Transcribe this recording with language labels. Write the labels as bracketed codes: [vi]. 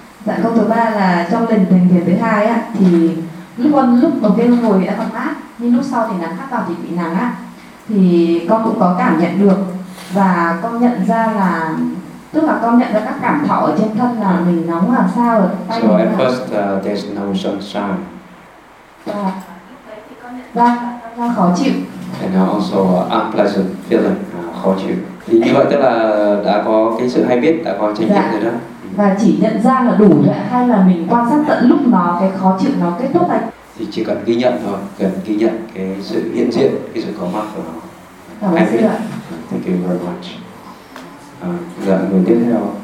[vi] Dạ, câu thứ ba là trong lần thành thiền thứ hai á, thì lúc đầu tiên ngồi thì đã còn mát, nhưng lúc sau thì nắng hắt vào thì bị nắng á, thì con cũng có cảm nhận được và con nhận ra là, tức là con nhận ra các cảm thọ ở trên thân là mình nóng làm sao ở tay. [en] So at first there's no sunshine. [vi] Và ra khó chịu. [en] And also unpleasant feeling, [vi] khó chịu. Thì như vậy tức là đã có cái sự hay biết, đã có trách nhiệm rồi đó. Và chỉ nhận ra là đủ rồi hay là mình quan sát tận lúc nó, cái khó chịu nó kết thúc này? Thì chỉ cần ghi nhận thôi, cần ghi nhận cái sự hiện diện, cái sự có mặt của nó. Cảm ơn sư ạ. [en] Thank you very much. [vi] Dạ, người tiếp theo.